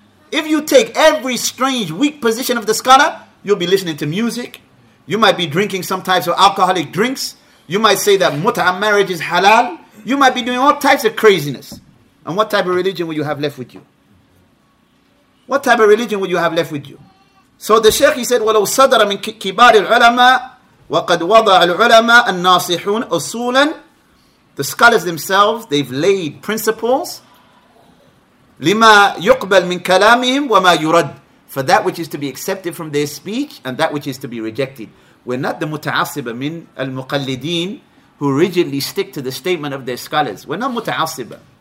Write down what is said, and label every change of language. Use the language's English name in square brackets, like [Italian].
[English] If you take every strange, weak position of the scholar, you'll be listening to music. You might be drinking some types of alcoholic drinks. You might say that muta'a marriage is halal. You might be doing all types of craziness. And what type of religion will you have left with you? What type of religion will you have left with you? So the Shaykh, he said, [Arabic] وَلَوْ صَدَرَ مِنْ كِبَارِ الْعُلَمَاءِ وَقَدْ وَضَعَ الْعُلَمَاءَ النَّاصِحُونَ أُصُولًا. [English] The scholars themselves, they've laid principles. [Arabic] لِمَا يُقْبَلْ مِنْ كَلَامِهِمْ وَمَا يُرَدْ. [English] For that which is to be accepted from their speech and that which is to be rejected. We're not the [Arabic] mutaasiba min al-muqallideen [English] who rigidly stick to the statement of their scholars. We're not mutaasiba.